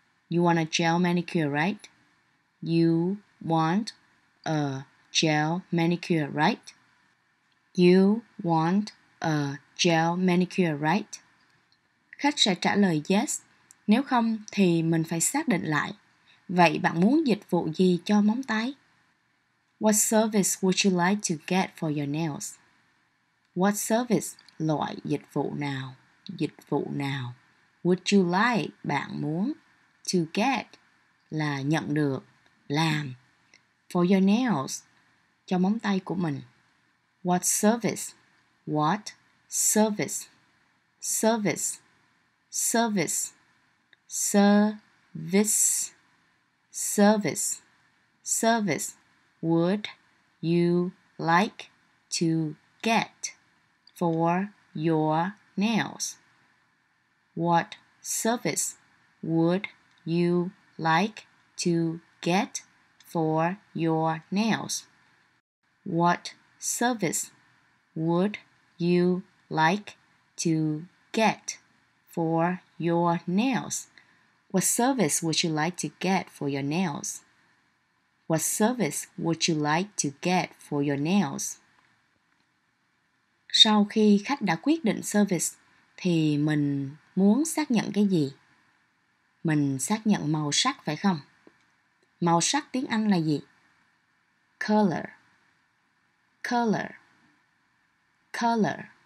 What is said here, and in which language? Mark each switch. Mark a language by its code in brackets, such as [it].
[en] You want a gel manicure, right? You want a gel manicure, right? You want a gel manicure, right? [vi] Khách sẽ trả lời yes. Nếu không thì mình phải xác định lại. Vậy bạn muốn dịch vụ gì cho móng tay? [en] What service would you like to get for your nails? What service, [vi] loại dịch vụ nào? Dịch vụ nào? [en] Would you like, [vi] bạn muốn? [en] To get [vi] là nhận được, làm. [en] For your nails, [vi] cho móng tay của mình. [en] What service? What service? Service. Service. Service. Service. Service. Would you like to get for your nails? What service would you like to get for your nails? What service would you like to get for your nails? What service would you like to get for your nails? What service would you like to get for your nails? [vi] Sau khi khách đã quyết định service, thì mình muốn xác nhận cái gì? Mình xác nhận màu sắc phải không? Màu sắc tiếng Anh là gì? Color. Color. Color.